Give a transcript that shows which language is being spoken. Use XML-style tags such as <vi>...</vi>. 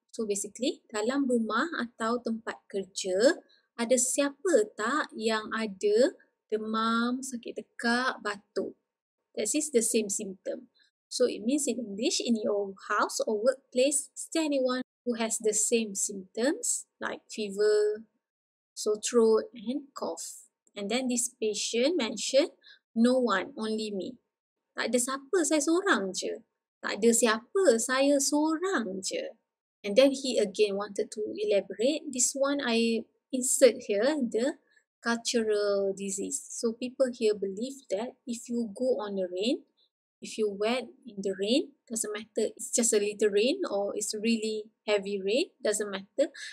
<ms>So basically, dalam rumah atau tempat kerja, ada siapa tak yang ada demam, sakit tekak, batuk?</ms> <en>That is the same symptom. So it means in English, in your house or workplace, is there anyone who has the same symptoms like fever, sore throat and cough? And then this patient mentioned, no one, only me.</en> <ms>Tak ada siapa, saya seorang je. Tak ada siapa, saya seorang je.</ms> <en>And then he again wanted to elaborate. This one I insert here, the cultural disease. So people here believe that if you go on the rain, if you wet in the rain, doesn't matter, it's just a little rain or it's really heavy rain, doesn't matter.</en>